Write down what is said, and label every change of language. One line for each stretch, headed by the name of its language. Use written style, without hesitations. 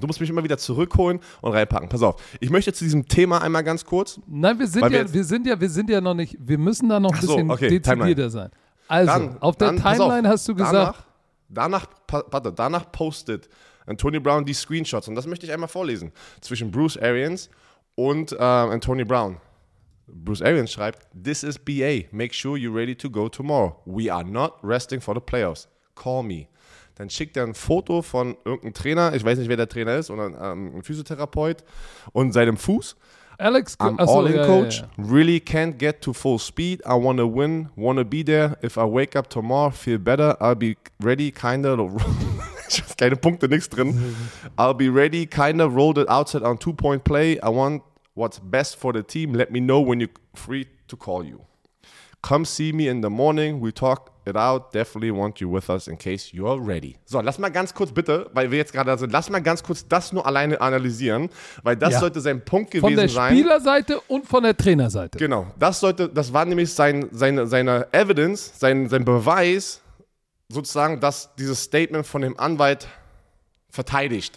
German: Du musst mich immer wieder zurückholen und reinpacken. Pass auf. Ich möchte zu diesem Thema einmal ganz kurz. Nein, wir sind ja noch nicht. Wir müssen da noch ein bisschen dezidierter Timeline. Sein. Also, dann, auf der dann, Timeline auf, hast du gesagt. Danach postet Antonio Brown die Screenshots. Und das möchte ich einmal vorlesen. Zwischen Bruce Arians und Antonio Brown. Bruce Arians schreibt,
English: this is BA, make sure you're ready to go tomorrow. We are not resting for the playoffs. Call me.
German: Dann schickt er ein Foto von irgendeinem Trainer, ich weiß nicht, wer der Trainer ist, oder ein Physiotherapeut und seinem Fuß. Alex,
English: All-in-Coach, really can't get to full speed, I wanna win, wanna be there, if I wake up tomorrow, feel better, I'll be ready, kinda,
German: keine Punkte, nichts drin.
English: I'll be ready, kinda, roll the outside on 2-point play, I want what's best for the team, let me know when you're free to call you. Come see me in the morning, we talk it out, definitely want you with us in case you're ready.
German: So, lass mal ganz kurz bitte, weil wir jetzt gerade da sind, lass mal ganz kurz das nur alleine analysieren, weil das sollte sein Punkt gewesen sein. Von der Spielerseite und von der Trainerseite. Genau, das war nämlich seine Evidence, sein Beweis, sozusagen, dass dieses Statement von dem Anwalt verteidigt.